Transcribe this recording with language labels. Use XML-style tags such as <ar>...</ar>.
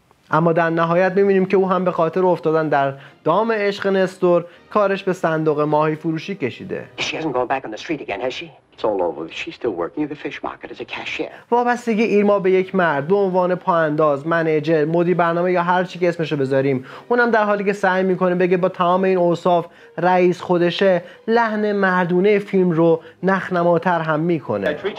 <fa>اما در نهایت میبینیم که او هم به خاطر افتادن در دام عشق نستور کارش به صندوق ماهی فروشی کشیده.</fa> <en>She hasn't gone back on the street again, has she? It's all over. She's still working at the fish market as a cashier.</en> <fa>وابستگی ایرما به یک مرد به عنوان پاانداز، منیجر، مدیر برنامه یا هر چی که اسمشو بذاریم، اونم در حالی که سعی میکنه بگه با تمام این اوصاف رئیس خودشه، لحن مردونه فیلم رو نخنماتر هم میکنه.</fa>